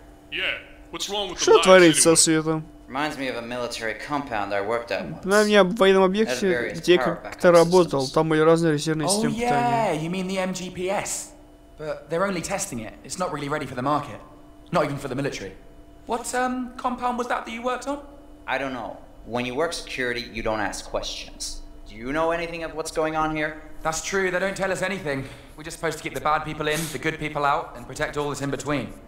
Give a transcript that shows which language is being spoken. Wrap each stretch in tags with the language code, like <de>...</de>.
<en>Yeah, what's wrong with the lights?</en> <ru>Что творится со светом?</ru> <en>Reminds me of a military compound I worked at once.</en> <ru>На меня в военном объекте, где как-то работал, там были разные резервные системы питания.</ru> <en>Oh yeah, you mean the MGPS? But they're only testing it. It's not really ready for the market. Not even for the military. What compound was that that you worked on? I don't know. When you work security, you don't ask questions. Do you know anything of what's going on here? That's true. They don't tell us anything. We're just supposed to keep the bad people in, the good people out, and protect all that's in between.</en>